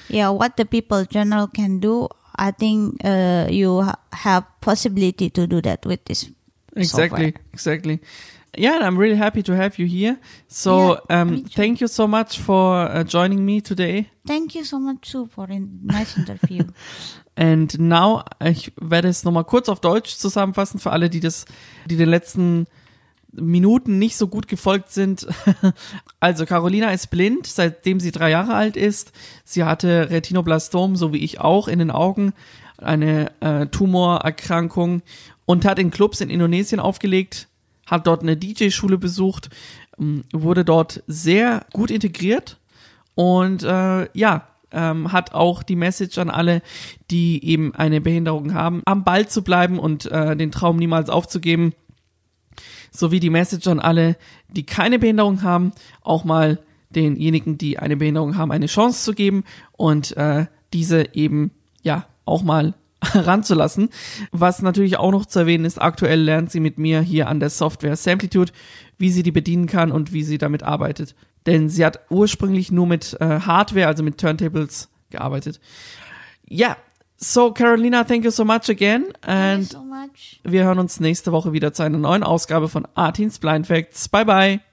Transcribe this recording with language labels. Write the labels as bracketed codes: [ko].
[en] Yeah, what the people general can do, I think you have possibility to do that with this exactly. Yeah, and I'm really happy to have you here. So thank you so much for joining me today. Thank you so much too for a nice interview. And now [de] ich werde es nochmal kurz auf Deutsch zusammenfassen für alle, die den letzten Minuten nicht so gut gefolgt sind. Also Carolina ist blind, seitdem sie 3 Jahre alt ist. Sie hatte Retinoblastom, so wie ich auch, in den Augen, eine Tumorerkrankung, und hat in Clubs in Indonesien aufgelegt, hat dort eine DJ-Schule besucht, wurde dort sehr gut integriert und hat auch die Message an alle, die eben eine Behinderung haben, am Ball zu bleiben und den Traum niemals aufzugeben. Sowie die Message an alle, die keine Behinderung haben, auch mal denjenigen, die eine Behinderung haben, eine Chance zu geben und diese eben ja auch mal ranzulassen. Was natürlich auch noch zu erwähnen ist, aktuell lernt sie mit mir hier an der Software Samplitude, wie sie die bedienen kann und wie sie damit arbeitet. Denn sie hat ursprünglich nur mit Hardware, also mit Turntables, gearbeitet. [en] Ja, so Carolina, thank you so much again. Thank you so much. [de] Wir hören uns nächste Woche wieder zu einer neuen Ausgabe von Artins Blind Facts. Bye bye.